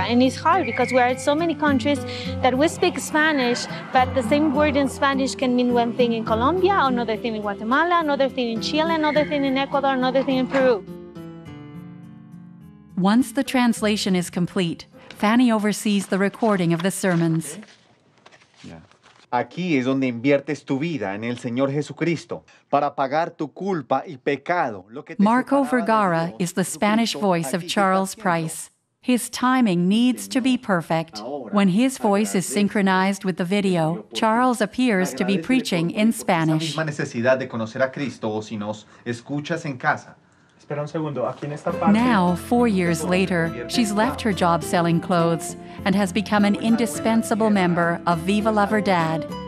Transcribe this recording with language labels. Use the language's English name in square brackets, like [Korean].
[English] And it's hard because we're in so many countries that we speak Spanish, but the same word in Spanish can mean one thing in Colombia, another thing in Guatemala, another thing in Chile, another thing in Ecuador, another thing in Peru. Once the translation is complete, Fanny oversees the recording of the sermons. [Spanish] Aquí es donde inviertes tu vida en el Señor Jesucristo para pagar tu culpa y pecado. [English] Marco Vergara is the Spanish voice of Charles Price. His timing needs to be perfect. When his voice is synchronized with the video, Charles appears to be preaching in Spanish. Now, 4 years later, she's left her job selling clothes and has become an indispensable member of Viva La Verdad.